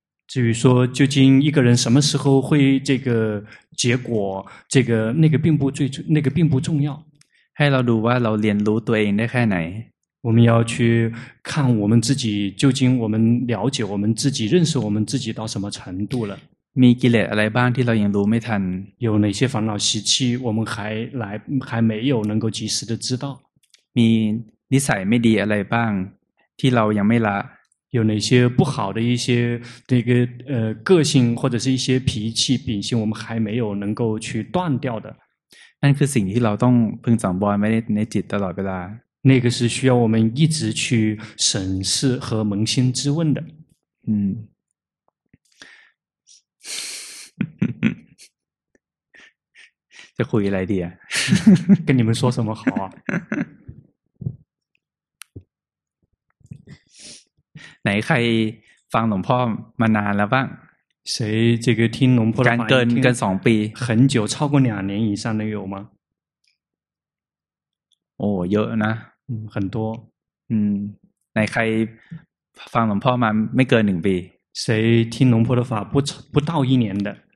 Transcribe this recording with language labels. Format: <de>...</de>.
<zh>至于说究竟一个人什么时候会这个结果这个那个并不最那个并不重要</zh> <th>ให้เราดูว่าเราเรียนรู้ตัวเองได้แค่ไหน</th> <zh>我们要去看我们自己究竟我们了解我们自己认识我们自己到什么程度了</zh> <th>มีกิเลสอะไรบ้างที่เรายังรู้ไม่ทัน</th> <zh>有哪些烦恼习气我们还没有能够及时的知道</zh> <th>มีนิสัยไม่ดีอะไรบ้างที่เรายังไม่ละ</th> <zh>有哪些不好的一些那个个性或者是一些脾气秉性我们还没有能够去断掉的</zh> <th>นั่นคือสิ่งที่เราต้องพึงสังวรไว้ในจิตตลอดเวลา</th> <zh>那个是需要我们一直去审视和扪心自问的</zh> <th>จะคุยอะไรดีอ่ะ</th> <zh>跟你们说什么好啊</zh> <th>ไหนใครฟังหลวงพ่อมานานแล้วบ้าง</th> <zh>谁这个听龙婆的</zh> <th>话เกิน2ปี</th> <zh>很久超过2年以上的有吗</zh> <th>โอ้เยอะนะ</th> <zh>很多</zh> <th>ไหนใครฟังหลวงพ่อมาไม่เกิน1ปี</th> <zh>谁听龙婆的话不到一年的</zh>